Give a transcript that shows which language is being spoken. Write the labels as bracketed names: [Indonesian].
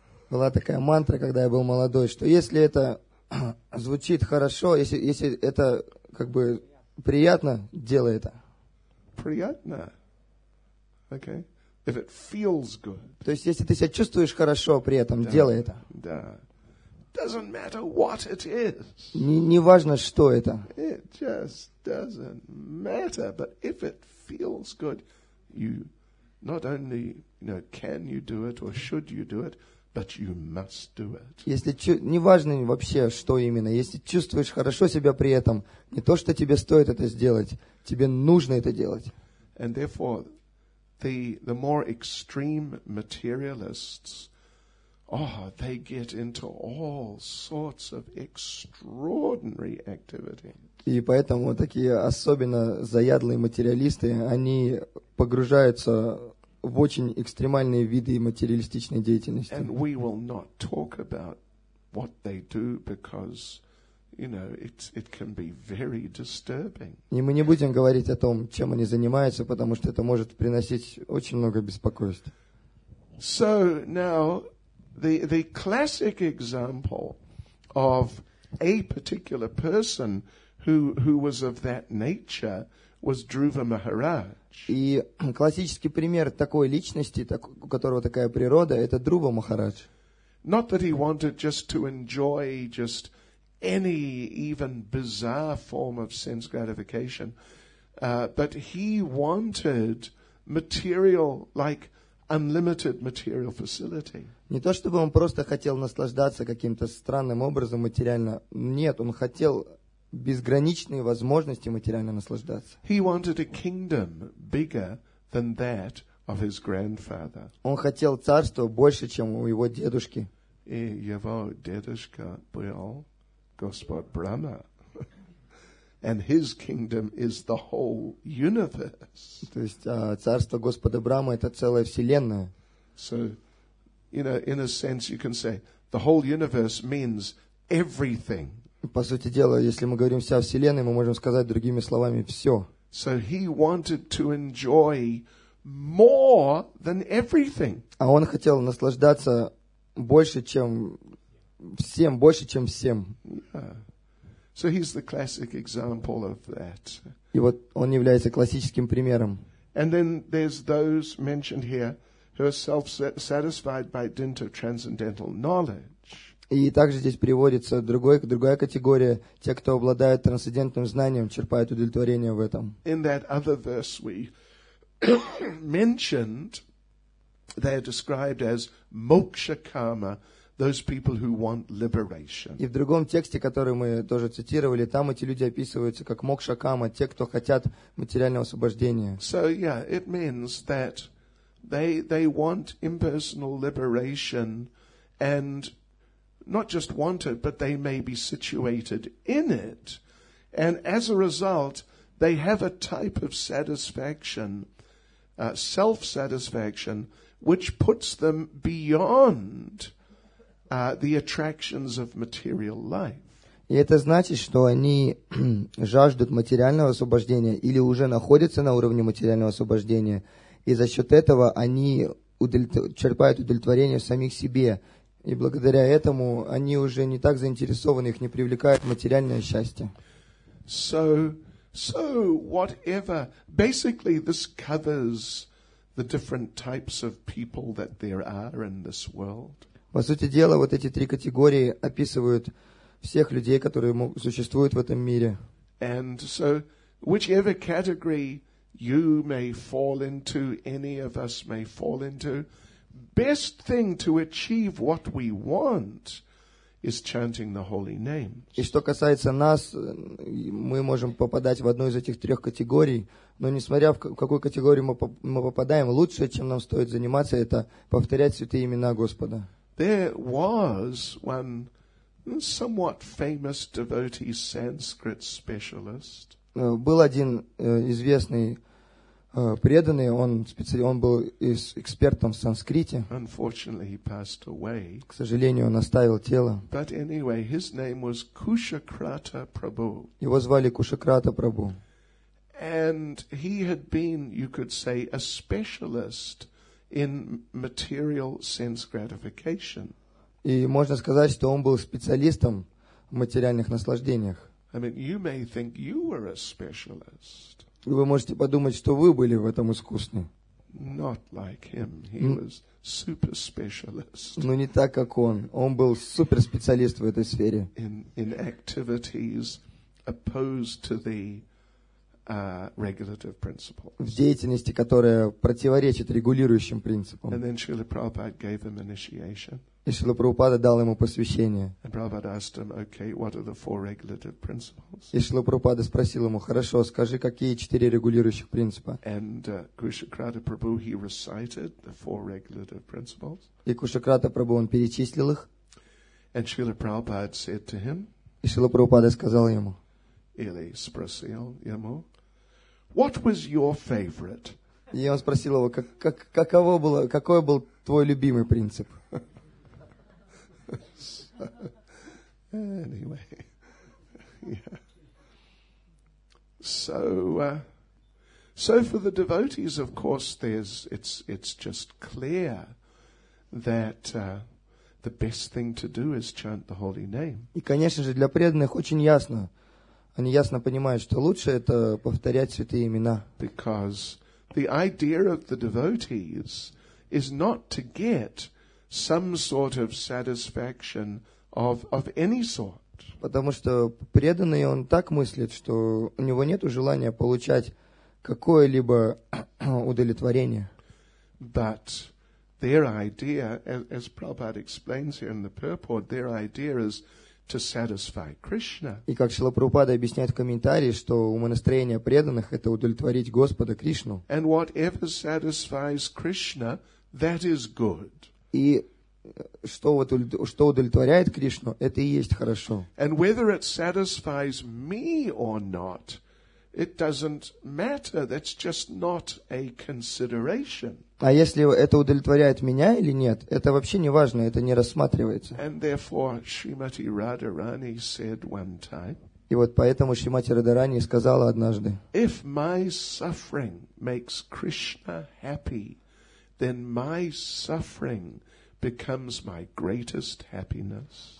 [Russian] Была такая мантра, когда я был молодой, что если это звучит хорошо, если это как бы приятно, делай это. Приятно. [English] Okay. If it feels good. [Russian] То есть если ты себя чувствуешь хорошо при этом, да, делай это. [English] Да. Doesn't matter what it is. [Russian] Не важно, что это. [English] It just doesn't matter, but if it feels good, you not only, you know, can you do it or should you do it, but you must do it. [Russian] Если не важно вообще, что именно, если чувствуешь хорошо себя при этом, не то, что тебе стоит это сделать, тебе нужно это делать. [English] And therefore, the more extreme materialists, oh, they get into all sorts of extraordinary activity. [Russian] И поэтому такие особенно заядлые материалисты, они погружаются в очень экстремальные виды материалистичной деятельности. [English] And we will not talk about what they do because, you know, it can be very disturbing. [Russian] И мы не будем говорить о том, чем они занимаются, потому что это может приносить очень много беспокойств. [English] So now the classic example of a particular person who was of that nature was Dhruva Maharaj. [Russian] И классический пример такой личности, у которого такая природа, это Друва Махарадж. [English] Not that he wanted just to enjoy just any even bizarre form of sense gratification, but he wanted material, like unlimited material facility. [Russian] Не то чтобы он просто хотел наслаждаться каким-то странным образом материально. Нет, он хотел безграничные возможности материально наслаждаться. [English] He wanted a kingdom bigger than that of his grandfather. [Russian] Он хотел царство больше, чем у его дедушки. И его дедушка был Господь Брама. [English] And his kingdom is the whole universe. [Russian] То есть царство Господа Брама — это целая вселенная. [English] So, you know, in a sense, you can say the whole universe means everything. [Russian] По сути дела, если мы говорим «вся Вселенная», мы можем сказать другими словами «все». [English] So he wanted to enjoy more than everything. [Russian] А он хотел наслаждаться больше, чем всем, больше, чем всем. [English] Yeah. So he's the classic example of that. [Russian] И вот он является классическим примером. [English] And then there's those mentioned here who are self-satisfied by dint of transcendental knowledge. [Russian] И также здесь приводится другая категория, те, кто обладает трансцендентным знанием, черпают удовлетворение в этом. [English] In that other verse we mentioned, they are described as moksha-kama, those people who want liberation. [Russian] И в другом тексте, который мы тоже цитировали, там эти люди описываются как мокша-кама, те, кто хотят материального освобождения. [English] So, yeah, it means that they want impersonal liberation and not just want it, but they may be situated in it. And as a result, they have a type of satisfaction self-satisfaction, which puts them beyond the attractions of material life. [Russian] И это значит, что они жаждут материального освобождения или уже находятся на уровне материального освобождения, и за счет этого они черпают удовлетворение в самих себе. И благодаря этому они уже не так заинтересованы, их не привлекает материальное счастье. [English] So whatever. Basically, this covers the different types of people that there are in this world. [Russian] По сути дела, вот эти три категории описывают всех людей, которые существуют в этом мире. [English] And so, whichever category you may fall into, any of us may fall into, best thing to achieve what we want is chanting the holy name. [Russian] И что касается нас, мы можем попадать в одну из этих трех категорий, но несмотря в какую категорию мы попадаем, лучшее, чем нам стоит заниматься, это повторять святые имена Господа. [English] There was one somewhat famous devotee Sanskrit specialist. [Russian] Был один известный преданный, он был экспертом в санскрите. [English] Unfortunately, he passed away. [Russian] К сожалению, он оставил тело. [English] But anyway, his name was Kushakrata Prabhu. [Russian] Его звали Кушакрата Прабху. [English] And he had been, you could say, a specialist in material sense gratification. [Russian] И можно сказать, что он был специалистом в материальных наслаждениях. [English] I mean, you may think you were a specialist. [Russian] Вы можете подумать, что вы были в этом искусны. [English] Not like him. He was super specialist. [Russian] Но не так, как он. Он был суперспециалист в этой сфере. [English] In activities opposed to the regulative principles. [Russian] В деятельности, которая противоречит регулирующим принципам. [English] And then Srila Prabhupada gave him initiation. [Russian] И Шрила Прабхупада дал ему посвящение. [English] Him, okay, what are the four regulative principles? [Russian] И Шрила Прабхупада спросил ему: «Хорошо, скажи, какие четыре регулирующих принципа?» [English] And, Kushakrata Prabhu, he recited the four regulative principles. [Russian] И Кушакрата Прабху, он перечислил их. [English] And Srila Prabhupada said to him, [Russian] и Шрила Прабхупада сказал ему, или спросил ему, [English] what was your favorite? [Russian] И он спросил его, какой был твой любимый принцип? [English] Anyway, so for the devotees, of course, it's just clear that the best thing to do is chant the holy name. [Russian] И, конечно же, для преданных очень ясно. Они ясно понимают, что лучше это повторять святые имена. [English] Because the idea of the devotees is not to get some sort of satisfaction of any sort. [Russian] Потому что преданный, он так мыслит, что у него нет желания получать какое-либо удовлетворение. [English] But their idea, as Prabhupada explains here in the purport, their idea is to satisfy Krishna. [Russian] И как Шрила Прабхупада объясняет в комментарии, что умонастроение преданных — это удовлетворить Господа Кришну. [English] And whatever satisfies Krishna, that is good. [Russian] И что удовлетворяет Кришну, это и есть хорошо. [English] And whether it satisfies me or not, it doesn't matter. That's just not a consideration. [Russian] А если это удовлетворяет меня или нет, это вообще не важно, это не рассматривается. [English] And therefore, Shrimati Radharani said one time, [Russian] и вот поэтому Шримати Радарани сказала однажды, [English] if my suffering makes Krishna happy, then my suffering becomes my greatest happiness.